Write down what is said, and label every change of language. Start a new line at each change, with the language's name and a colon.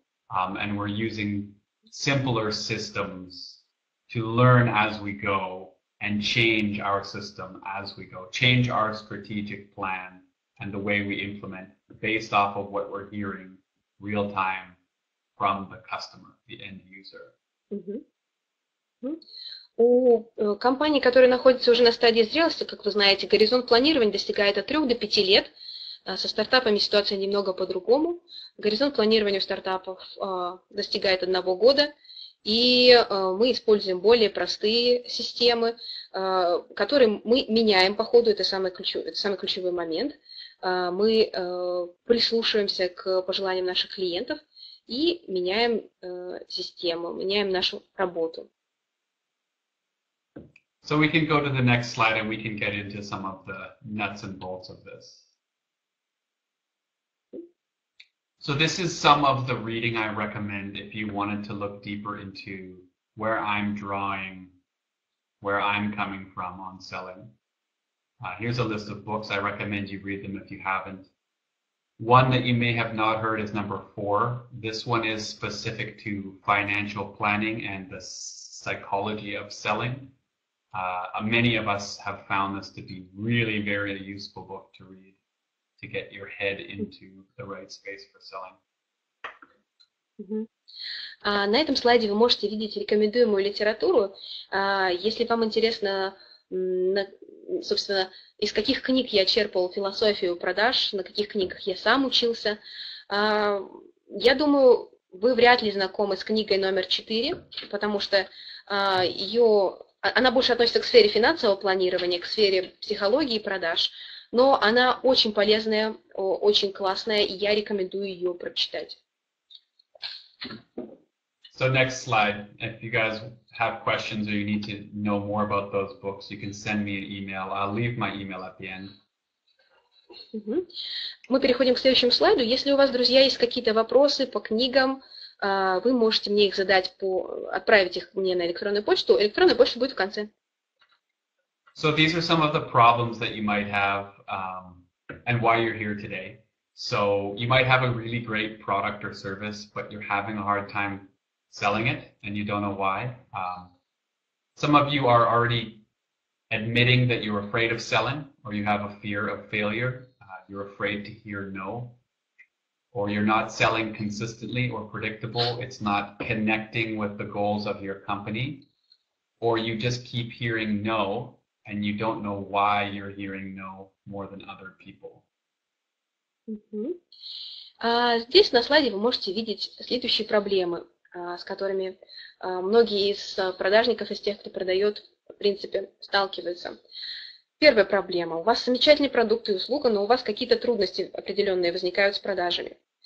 English: And we're using simpler systems to learn as we go and change our system as we go, change our strategic plan and the way we implement based off of what we're hearing real time from the customer, the end user.
Russian: У компаний, которые находятся уже на стадии зрелости, как вы знаете, горизонт планирования достигает от 3 до 5 лет. Со стартапами ситуация немного по-другому. Горизонт планирования у стартапов достигает 1 года. И мы используем более простые системы, которые мы меняем по ходу. Это самый ключевой момент. Мы прислушиваемся к пожеланиям наших клиентов и меняем систему, меняем нашу работу.
English: So we can go to the next slide and we can get into some of the nuts and bolts of this. So this is some of the reading I recommend if you wanted to look deeper into where I'm drawing, where I'm coming from on selling. Here's a list of books. I recommend you read them if you haven't. One that you may have not heard is number 4. This one is specific to financial planning and the psychology of selling. Many of us have found this to be really very useful book to read to get your head into the right space for selling.
Russian: На этом слайде вы можете видеть рекомендуемую литературу. Если вам интересно, собственно, из каких книг я черпал философию продаж, на каких книгах я сам учился, я думаю, вы вряд ли знакомы с книгой номер 4, потому что она больше относится к сфере финансового планирования, к сфере психологии и продаж, но она очень полезная, очень классная, и я рекомендую ее прочитать.
English: So next slide. If you guys have questions or you need to know more about those books, you can send me an email. I'll leave my email at the end.
Russian: Мы переходим к следующему слайду. Если у вас, друзья, есть какие-то вопросы по книгам, вы можете мне их задать, отправить их мне на электронную почту. Электронная почта будет в конце.
English: So these are some of the problems that you might have and why you're here today. So you might have a really great product or service, but you're having a hard time selling it and you don't know why. Some of you are already admitting that you're afraid of selling or you have a fear of failure. You're afraid to hear no. Or you're not selling consistently or predictable, it's not connecting with the goals of your company, or you just keep hearing no, and you don't know why you're hearing no more than other people.
Russian: Здесь на слайде вы можете видеть следующие проблемы, с которыми многие из продажников, из тех, кто продает, в принципе, сталкиваются. Первая проблема. У вас замечательный продукт и услуга, но у вас какие-то трудности определенные возникают с продажами.